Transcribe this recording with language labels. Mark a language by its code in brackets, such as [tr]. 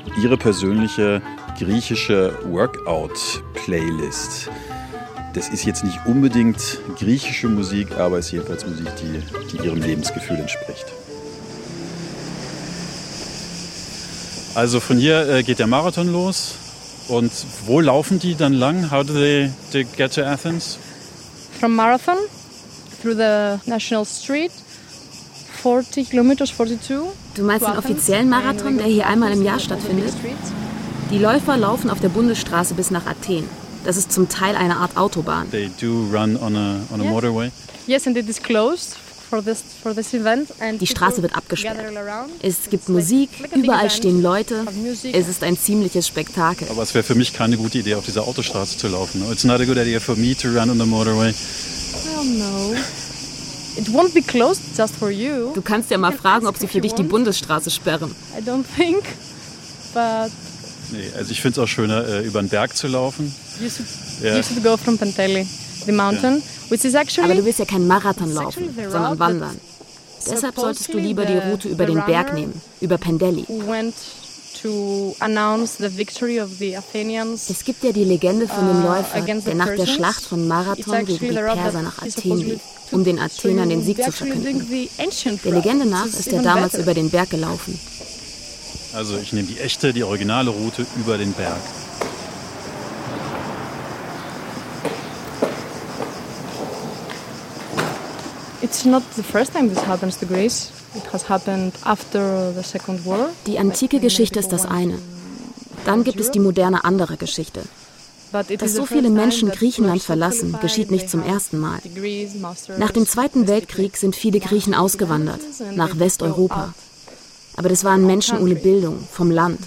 [de] Ihre persönliche griechische Workout-Playlist. Das ist jetzt nicht unbedingt griechische Musik, aber es ist jedenfalls Musik, die ihrem Lebensgefühl entspricht. Also von hier geht der Marathon los. Und wo laufen die dann lang? [en] How do they get to Athens? From Marathon, through the National Street, 40 kilometers, 42. [de] Du meinst den offiziellen Marathon, der hier einmal im Jahr stattfindet? Die Läufer laufen auf der Bundesstraße bis nach Athen. Das ist zum Teil eine Art Autobahn. [en] They do run on a motorway? Yes, and it is closed. For this event. And [de] die Straße wird abgesperrt. Es gibt Musik, überall stehen Leute. Es ist ein ziemliches Spektakel. Aber es wäre für mich keine gute Idee, auf dieser Autostraße zu laufen. [en] It's not a good idea for me to run on the motorway. Oh no. It won't be closed just for you. [de] Du kannst ja mal fragen, ob sie für dich die Bundesstraße sperren. [en] I don't think, but. [de] Nee, also ich finde es auch schöner, über einen Berg zu laufen. [en] You should go from Penteli, the mountain. Yeah. [de] Aber du willst ja keinen Marathon laufen, sondern wandern. Deshalb solltest du lieber die Route über den Berg nehmen, über Pendeli. Es gibt ja die Legende von dem Läufer, der nach der Schlacht von Marathon gegen die Perser nach Athen lief, um den Athenern den Sieg zu verkünden. Der Legende nach ist er damals über den Berg gelaufen. Also ich nehme die originale Route über den Berg. [en] It's not the first time this happens to Greece. It has happened after the Second War. [de] Die antike Geschichte ist das eine. Dann gibt es die moderne andere Geschichte. Dass so viele Menschen Griechenland verlassen, geschieht nicht zum ersten Mal. Nach dem Zweiten Weltkrieg sind viele Griechen ausgewandert, nach Westeuropa. Aber das waren Menschen ohne Bildung, vom Land.